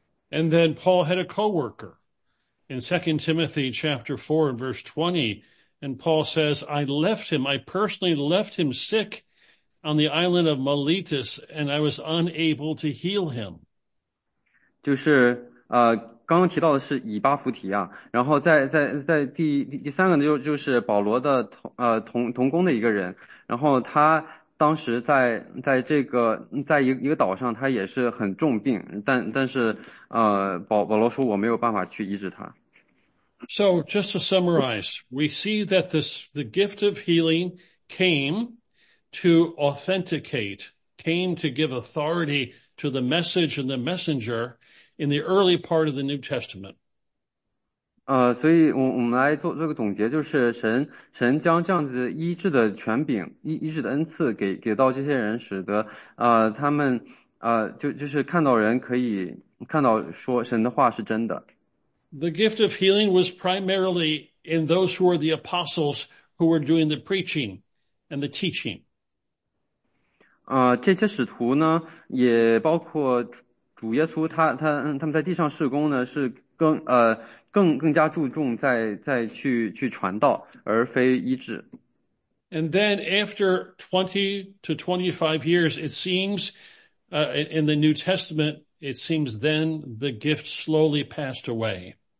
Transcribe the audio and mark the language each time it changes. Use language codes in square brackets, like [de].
[en] And then Paul had a coworker in 2 Timothy chapter 4 and verse 20. And Paul says, I left him. I personally left him sick on the island of Miletus, and I was unable to heal him. [zh] 就是刚刚提到的是以巴弗提亚，然后在第三个呢，就是保罗的同工的一个人，然后他当时在一个岛上，他也是很重病，但是保罗说我没有办法去医治他。 [en] So just to summarize, we see that the gift of healing came to give authority to the message and the messenger in the early part of the New Testament. [zh] 所以我们来做个总结，就是神将这样子医治的权柄、医治的恩赐给到这些人，使得他们就是看到人可以看到说神的话是真的。 [en] The gift of healing was primarily in those who were the apostles who were doing the preaching and the teaching. [zh] 这些使徒呢，也包括主耶稣他们在地上事工呢是。更加注重再去传道，而非医治。 [en] And then after 20 to 25 years, it seems, in the New Testament, it seems then the gift slowly passed away.